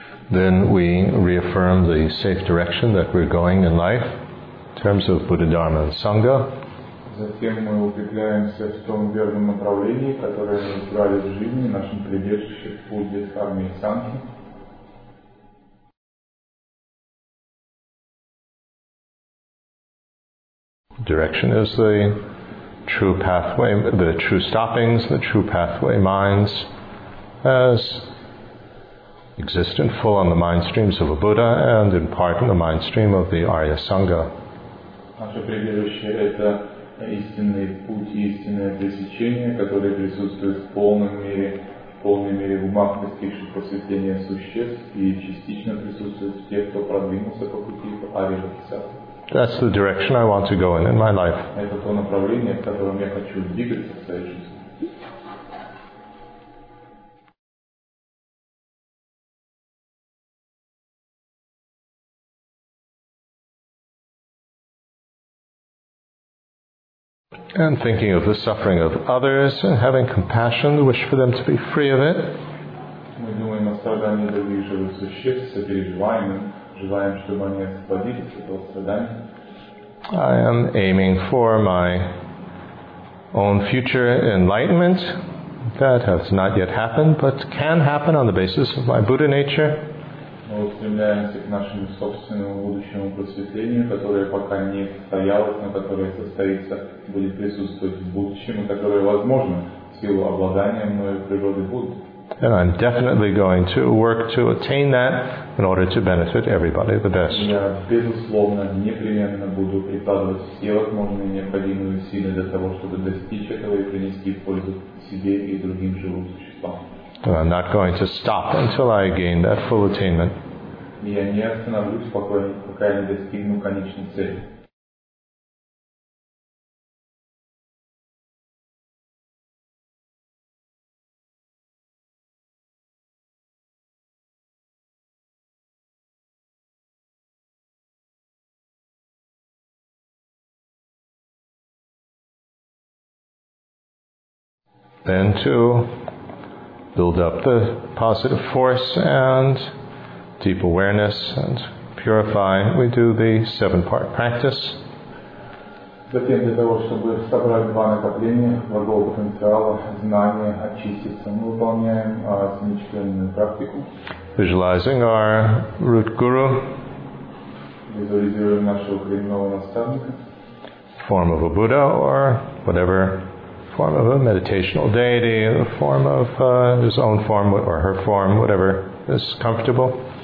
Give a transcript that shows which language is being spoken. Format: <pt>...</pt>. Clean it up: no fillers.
<en>Then we reaffirm the safe direction that we're going in life, in terms of Buddha, Dharma, and Sangha.</en> <ru>Затем мы укрепляемся в том верном направлении, которое мы избрали в жизни, нашим прибежищем, Будде, Дхарме и Сангхе.</ru> <en>Direction is the true pathway, the true stoppings, the true pathway minds, as exist in full on the mind streams of a Buddha and in part in the mind stream of the Arya Sangha.</en> <ru>Наше прибежище – это истинный путь, истинное пресечение, которое присутствует в полном мире, в полной мере в умах достигших просветления существ и частично присутствует в тех, кто продвинулся по пути в Арья Бодхисаттву.</ru> <en>That's the direction I want to go in my life.</en> <ru>Это то направление, в котором я хочу двигаться в своей жизни.</ru> <en>And thinking of the suffering of others and having compassion, the wish for them to be free of it.</en> <ru>Мы думаем о страдании других живых существ, сопереживаем им, желаем, чтобы они освободились от этого страдания.</ru> <en>I am aiming for my own future enlightenment. That has not yet happened, but can happen on the basis of my Buddha nature.</en> <ru>Мы устремляемся к нашему собственному будущему просветлению, которое пока не состоялось, но которое состоится, будет присутствовать в будущем, и которое возможно в силу обладания мною природы Будды.</ru> <en>And I'm definitely going to work to attain that in order to benefit everybody the best.</en> <ru>Я безусловно непременно буду прикладывать все возможные необходимые усилия для того, чтобы достичь этого и принести пользу себе и другим живым существам.</ru> <en>And I'm not going to stop until I gain that full attainment.</en> <ru>Я не остановлюсь, пока я не достигну конечной цели.</ru> <en>Then to build up the positive force and deep awareness and purify, we do the seven-part practice.</en> <ru>Затем для того, чтобы собрать два накопления, благого потенциала, знания, очиститься, мы выполняем семичленную практику.</ru> <en>Visualizing our root guru,</en> <ru>визуализируем нашего коренного наставника,</ru> <en>form of a Buddha or whatever form of a meditational deity, the form of his own form or her form, whatever is comfortable.</en>